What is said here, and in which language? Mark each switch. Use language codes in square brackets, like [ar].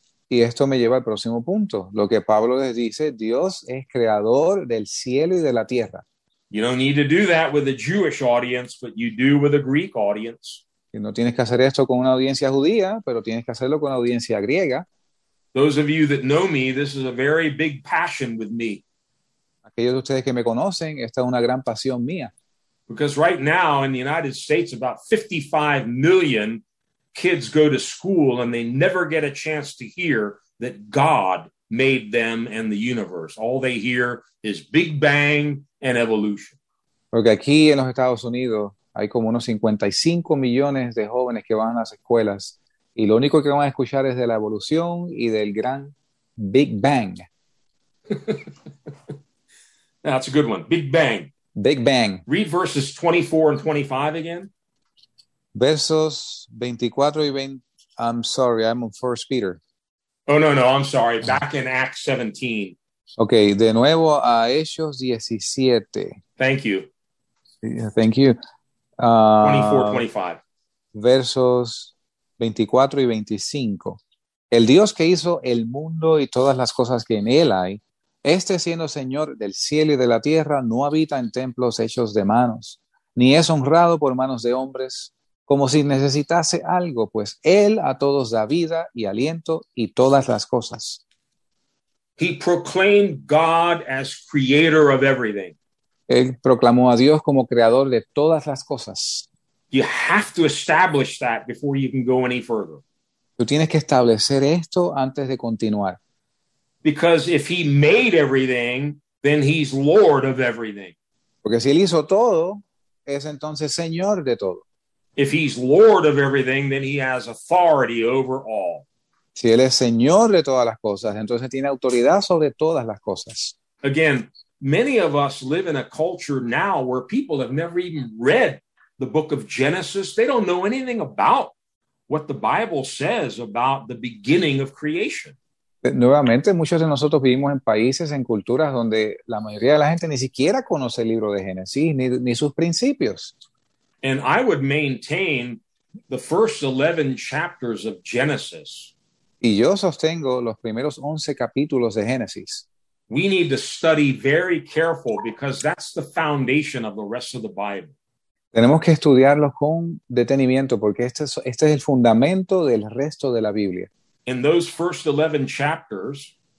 [es] Y esto me lleva al próximo punto. Lo que Pablo les dice, Dios es creador del cielo y de la tierra. [en] You don't need to do that with a Jewish audience, but you do with a Greek audience. [es] Y no tienes que hacer esto con una audiencia judía, pero tienes que hacerlo con una audiencia griega. [en] Those of you that know me, this is a very big passion with me. [es] Aquellos de ustedes que me conocen, esta es una gran pasión mía. [en] Because right now in the United States, about 55 million kids go to school and they never get a chance to hear that God made them and the universe. All they hear is Big Bang and evolution. [es] Porque aquí en los Estados Unidos hay como unos 55 millones de jóvenes que van a las escuelas y lo único que van a escuchar es de la evolución y del gran Big Bang. [en] That's a good one. Big Bang. Big Bang. Read verses 24 and 25 again. [es] Versos 24 y 20. [en] I'm sorry, I'm on 1 Peter. Oh, no, I'm sorry. Back in Acts 17. [es] Okay, de nuevo a Hechos 17. [en] Thank you. Thank you. 24, 25. [es] Versos 24 y 25. El Dios que hizo el mundo y todas las cosas que en él hay, este siendo Señor del cielo y de la tierra, no habita en templos hechos de manos, ni es honrado por manos de hombres, como si necesitase algo, pues Él a todos da vida y aliento y todas las cosas. [en] He proclaimed God as creator of everything. [es] Él proclamó a Dios como creador de todas las cosas. [en] You have to establish that before you can go any further. [es] Tú tienes que establecer esto antes de continuar. [en] Because if he made everything, then he's Lord of everything. [es] Porque si él hizo todo, es entonces señor de todo. [en] If he's Lord of everything, then he has authority over all. [es] Si él es señor de todas las cosas, entonces tiene autoridad sobre todas las cosas. [en] Again, many of us live in a culture now where people have never even read the book of Genesis. They don't know anything about what the Bible says about the beginning of creation. [es] Nuevamente, muchos de nosotros vivimos en países, en culturas donde la mayoría de la gente ni siquiera conoce el libro de Génesis, ni sus principios. [en] And I would maintain the first 11 chapters of Genesis. [es] Y yo sostengo los primeros 11 capítulos de Génesis. [en] We need to study very careful because that's the foundation of the rest of the Bible. [es] Tenemos que estudiarlos con detenimiento porque este es el fundamento del resto de la Biblia. [en] In those first 11 chapters,